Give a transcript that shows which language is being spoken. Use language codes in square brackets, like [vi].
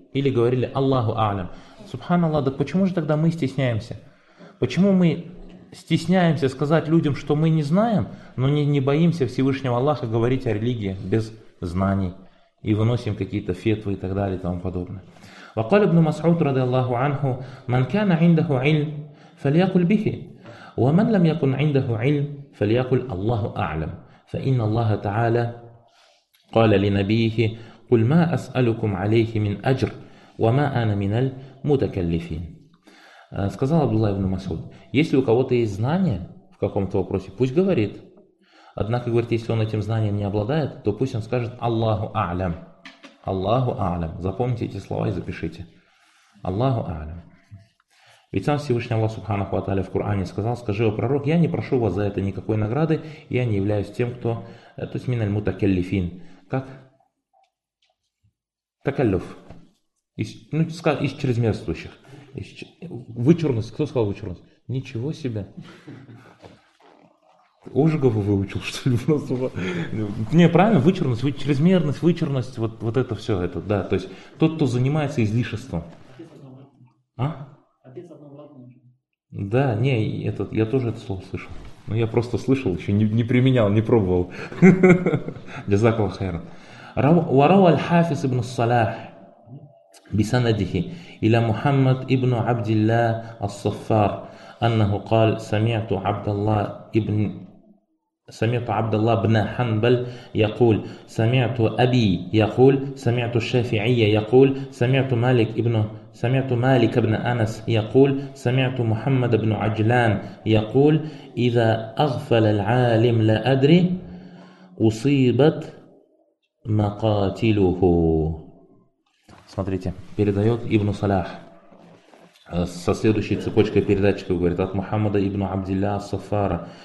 [ru] Или говорили [ar] «Аллаху а'лям». [ru] Субханаллах, так почему же тогда мы стесняемся? Почему мы стесняемся сказать людям, что мы не знаем, но не боимся Всевышнего Аллаха говорить о религии без знаний и выносим какие-то фетвы и так далее и тому подобное? [ar] وقال ابن مسعود رضي الله عنه: من كان عنده علم فليقل به، ومن لم يكن عنده علم فليقل الله أعلم. فإن الله تعالى قال لنبيه: قل ما أسألكم عليه من أجر وما أنا من المتكلفين. [ru] Сказал Абдулла ибн Масуд: если у кого-то есть знания в каком-то вопросе, пусть говорит. Однако, говорит, если он этим знанием не обладает, то пусть он скажет Аллаху А'лям. Аллаху А'лям. Запомните эти слова и запишите. Аллаху А'лям. Ведь сам Всевышний Аллах Субханаху ва Тааля в Коране сказал: скажи, о пророк, я не прошу вас за это никакой награды, я не являюсь тем, кто... То есть, [ar] миналь мутакеллифин. [ru] Как? Такеллюф. Из чрезмерствующих. Вычурность. Кто сказал вычурность? Ничего себе. Ожегова выучил, что ли, в нас? Не, правильно, вычурность, чрезмерность, вычурность, вот это все, это, да. То есть, тот, кто занимается излишеством. А? Да, не, этот, я тоже это слово слышал. Но я просто слышал, еще не применял, не пробовал. [ar] Джазакал хайран. Варау аль-Хафиз ибн Салах бисанадихи иля Мухаммад ибн Абдилла ас-Саффар аннаху кал самиату Абдаллах ибн سمعت عبد الله بن حنبل يقول سمعت أبي يقول سمعت الشافعي يقول سمعت مالك بن أنس يقول سمعت محمد بن عجلان يقول إذا أغفل العالم لا أدري أصيبت مقاتله. [ru] Смотрите, передает ابن صلاح со следующей цепочкой передатчиков, говорит, от Мухаммада ибн Абдилла ас-Саффара.